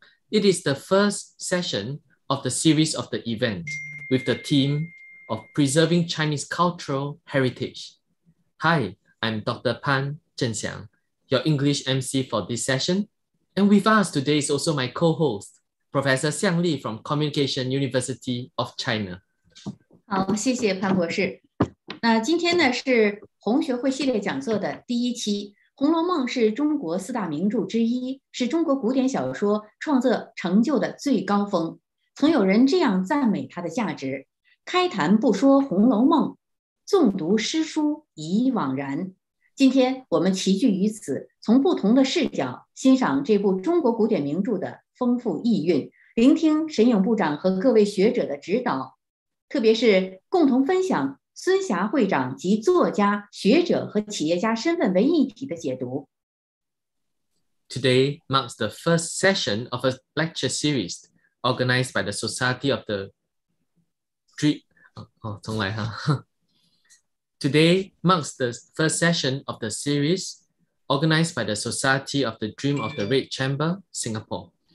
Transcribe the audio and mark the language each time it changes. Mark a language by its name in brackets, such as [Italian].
[English] It is the first session of the series of the event with the theme of preserving Chinese cultural heritage. Hi, I'm Dr. Pan Zhenxiang, your English MC for this session. And with us today is also my co-host, Professor Xiang Li from Communication University of China. [Chinese] 好，谢谢潘博士。那今天呢是红学会系列讲座的第一期。 《红楼梦》是中国四大名著之一，是中国古典小说创作成就的最高峰。曾有人这样赞美它的价值：开坛不说《红楼梦》，纵读诗书已枉然。今天我们齐聚于此，从不同的视角欣赏这部中国古典名著的丰富意蕴，聆听沈勇部长和各位学者的指导，特别是共同分享孙霞会长及作家、学者和企业家身份为一体的解读。 [English] Today marks the first session of a lecture series organized by the Society of the Dream. [Chinese] 重来哈。 [English] Today marks the first session of the series organized by the Society of the Dream of the Red Chamber, Singapore.